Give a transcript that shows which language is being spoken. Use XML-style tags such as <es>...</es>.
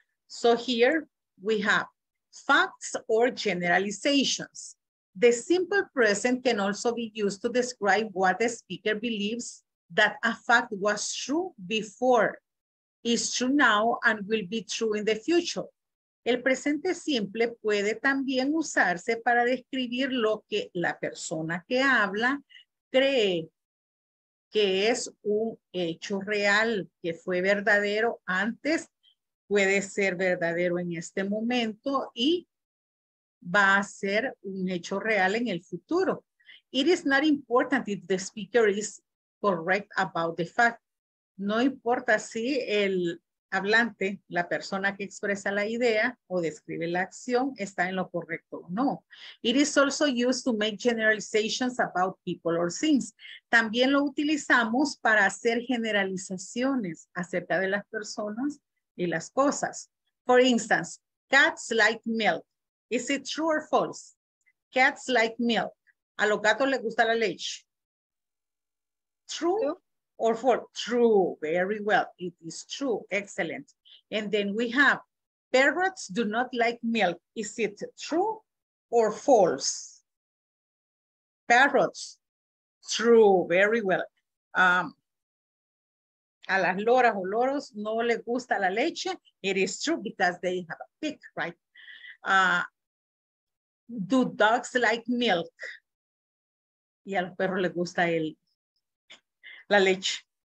<en>So here we have facts or generalizations. The simple present can also be used to describe what the speaker believes that a fact was true before, is true now, and will be true in the future.</en> <es>El presente simple puede también usarse para describir lo que la persona que habla cree que es un hecho real, que fue verdadero antes, puede ser verdadero en este momento y va a ser un hecho real en el futuro.</es> <en>It is not important if the speaker is correct about the fact.</en> <es>No importa si el hablante, la persona que expresa la idea o describe la acción, está en lo correcto o no.</es> <en>It is also used to make generalizations about people or things.</en> <es>También lo utilizamos para hacer generalizaciones acerca de las personas y las cosas.</es> <en>For instance, cats like milk. Is it true or false? Cats like milk.</en> <es>¿A los gatos les gusta la leche?</es> <en>True or false? True. Very well. It is true. Excellent. And then we have parrots do not like milk. Is it true or false? Parrots. True. Very well.</en> <es>A las loras o loros no les gusta la leche.</es> <en>It is true because they have a beak, right? Do dogs like milk?</en> <es>¿Y a los perros les gusta la leche?</es>